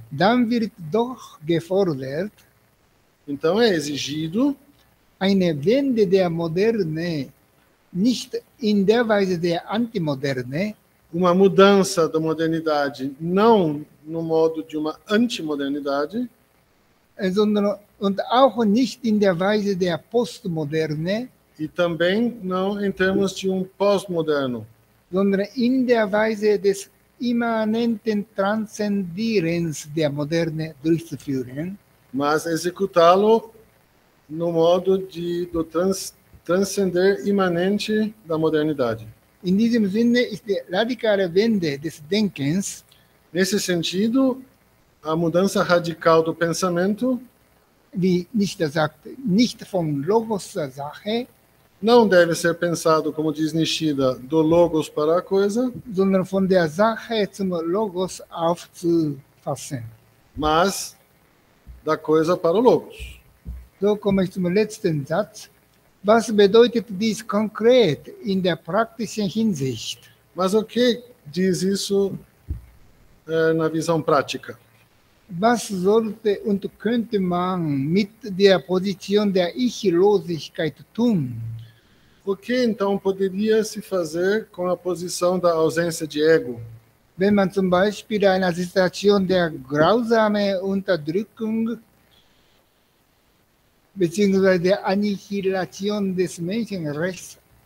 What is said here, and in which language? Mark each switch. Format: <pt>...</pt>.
<de>Dann wird doch gefordert,</de> <pt>então é exigido</pt> <de>eine Wende der Moderne. Nicht in der Weise der Antimoderne,</de> <pt>uma mudança da modernidade, não no modo de uma antimodernidade,</pt> <de>sondern und auch nicht in der Weise der Postmoderne,</de> <pt>e também não em termos de pós-moderno,</pt> <de>sondern in der Weise des immanenten Transzendierens der Moderne durchzuführen,</de> <pt>mas executá-lo no modo do transcender imanente da modernidade.</pt> <de>In diesem Sinne ist die radikale Wende des Denkens.</de> <pt>Nesse sentido, a mudança radical do pensamento.</pt> <de>Wie Nietzsche sagt, nicht vom Logos zur Sache.</de> <pt>Não deve ser pensado, como diz Nishida, do Logos para a coisa.</pt> <de>Sondern von der Sache zum Logos aufzufassen.</de> <pt>Mas da coisa para o Logos.</pt> <de>So komme ich zum letzten Satz. Was bedeutet dies konkret in der praktischen Hinsicht?</de> <pt>Mas o que diz isso na visão prática?</pt> <de>Was sollte und könnte man mit der Position der Ichlosigkeit tun?</de> <pt>O que então poderia se fazer com a posição da ausência de ego?</pt> <de>Wenn man zum Beispiel eine Situation der grausamen Unterdrückung beziehungsweise der Annihilation des Menschenrechts</de>